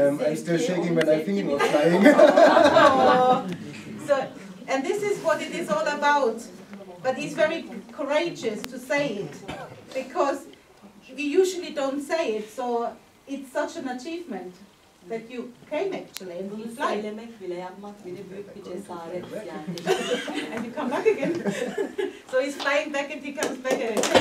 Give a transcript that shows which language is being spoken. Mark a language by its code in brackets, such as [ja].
[en] I'm still shaking when I think of flying. So, and this is what it is all about. But he's very courageous to say it, because we usually don't say it. So. It's such an achievement that you came actually and [tr] bunu söylemek bile yapmak bile büyük bir cesaret yani. [en] And you come back again. So he's flying back and he comes back again.